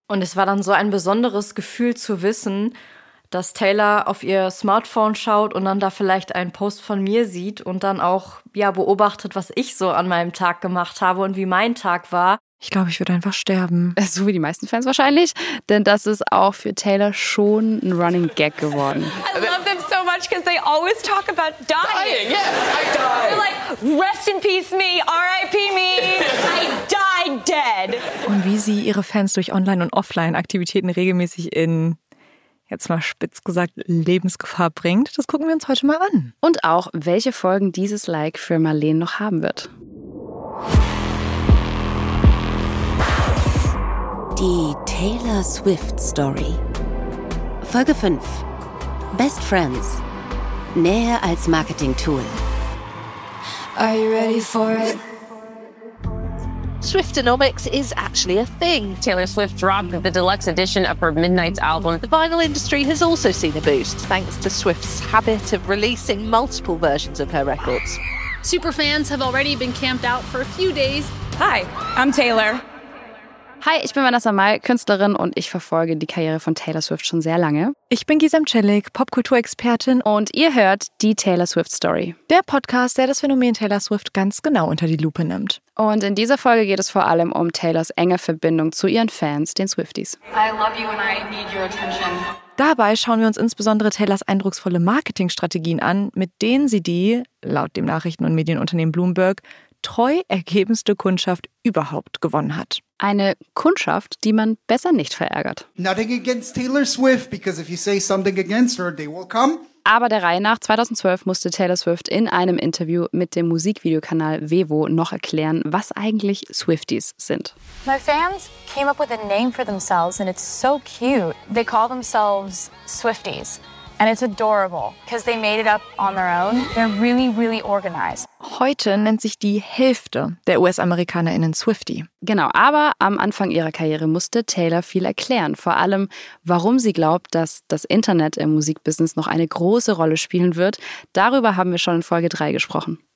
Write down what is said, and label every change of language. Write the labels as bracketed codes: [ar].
[de] Und es war dann so ein besonderes Gefühl zu wissen, dass Taylor auf ihr Smartphone schaut und dann da vielleicht einen Post von mir sieht und dann auch ja beobachtet, was ich so an meinem Tag gemacht habe und wie mein Tag war. Ich glaube, ich würde einfach sterben. So wie die meisten Fans wahrscheinlich, denn das ist auch für Taylor schon ein Running Gag geworden. [en] I love them so much because they always talk about dying. Yes, I die. They're like, rest in peace me, RIP me, I died dead. [de] Und wie sie ihre Fans durch Online- und Offline-Aktivitäten regelmäßig in, jetzt mal spitz gesagt, Lebensgefahr bringt, das gucken wir uns heute mal an. Und auch, welche Folgen dieses Like für Marlene noch haben wird. Die Taylor Swift Story. Folge 5. Best Friends. Näher als Marketing-Tool. [en] Are you ready for it? Swiftonomics is actually a thing. Taylor Swift dropped the deluxe edition of her Midnights album. The vinyl industry has also seen a boost, thanks to Swift's habit of releasing multiple versions of her records. Superfans have already been camped out for a few days. Hi, I'm Taylor. [de] Hi, ich bin Vanessa May, Künstlerin und ich verfolge die Karriere von Taylor Swift schon sehr lange. Ich bin Gizem Celik, Popkulturexpertin. Und ihr hört die Taylor Swift Story. Der Podcast, der das Phänomen Taylor Swift ganz genau unter die Lupe nimmt. Und in dieser Folge geht es vor allem um Taylors enge Verbindung zu ihren Fans, den Swifties. [en] I love you and I need your attention. [de] Dabei schauen wir uns insbesondere Taylors eindrucksvolle Marketingstrategien an, mit denen sie die, laut dem Nachrichten- und Medienunternehmen Bloomberg, treu ergebenste Kundschaft überhaupt gewonnen hat. Eine Kundschaft, die man besser nicht verärgert. [en] Nothing against Taylor Swift, because if you say something against her, they will come. [de] Aber der Reihe nach, 2012 musste Taylor Swift in einem Interview mit dem Musikvideokanal Vevo noch erklären, was eigentlich Swifties sind. [en] My fans came up with a name for themselves and it's so cute. They call themselves Swifties. And it's adorable, because they made it up on their own. They're really, really organized. [de] Heute nennt sich die Hälfte der US-AmerikanerInnen Swiftie. Genau, aber am Anfang ihrer Karriere musste Taylor viel erklären. Vor allem, warum sie glaubt, dass das Internet im Musikbusiness noch eine große Rolle spielen wird. Darüber haben wir schon in Folge 3 gesprochen.